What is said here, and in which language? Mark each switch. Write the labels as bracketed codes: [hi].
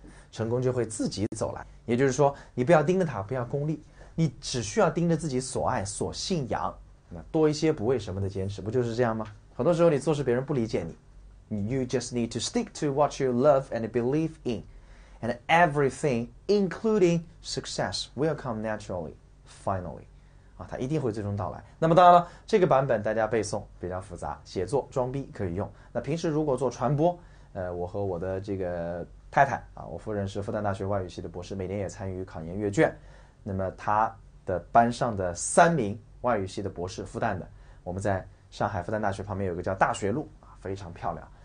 [zh] 成功就会自己走来，也就是说，你不要盯着他，不要功利，你只需要盯着自己所爱、所信仰，那多一些不为什么的坚持，不就是这样吗？很多时候你做事，别人不理解你， [en] You just need to stick to what you love and believe in, and everything, including success, will come naturally, finally。 [zh] 啊，它一定会最终到来。那么当然了，这个版本大家背诵比较复杂，写作装逼可以用。那平时如果做传播，我和我的这个。太太啊，我夫人是复旦大学外语系的博士，每年也参与考研阅卷。那么她的班上的3名外语系的博士，复旦的，我们在上海复旦大学旁边有个叫大学路啊，非常漂亮。